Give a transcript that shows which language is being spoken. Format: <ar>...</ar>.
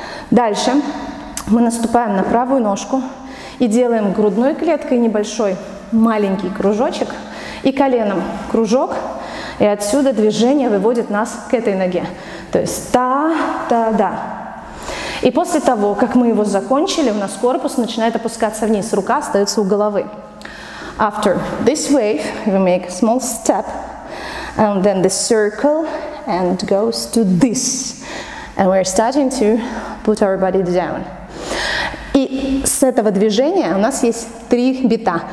<ru>Дальше мы наступаем на правую ножку и делаем грудной клеткой небольшой маленький кружочек и коленом кружок. И отсюда движение выводит нас к этой ноге. То есть та-та-да. И после того, как мы его закончили, у нас корпус начинает опускаться вниз, рука остается у головы.</ru> <en>After this wave, we make a small step, and then the circle, and goes to this. And we're starting to put our body down.</en> <ru>И с этого движения у нас есть 3 бита.</ru>